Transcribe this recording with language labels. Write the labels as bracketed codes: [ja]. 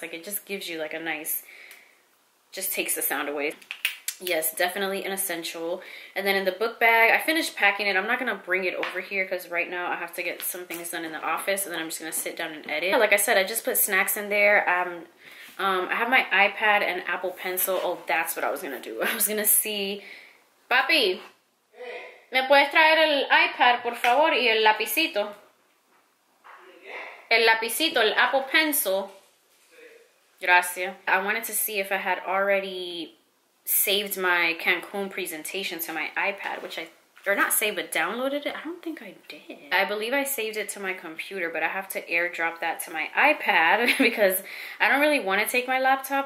[en] Like, it just gives you like a nice, just takes the sound away. Yes, definitely an essential. And then in the book bag, I finished packing it. I'm not gonna bring it over here because right now I have to get some things done in the office, and then I'm just gonna sit down and edit. Yeah, like I said, I just put snacks in there. I have my iPad and Apple Pencil. Oh, that's what I was gonna do. I was gonna see, [es] Papi, me puedes traer el iPad, por favor, y el lapicito. El lapicito, el Apple Pencil. Gracias. [en] I wanted to see if I had already saved my Cancun presentation to my iPad, which I, or not save, but downloaded it. I don't think I did. I believe I saved it to my computer, but I have to airdrop that to my iPad because I don't really want to take my laptop.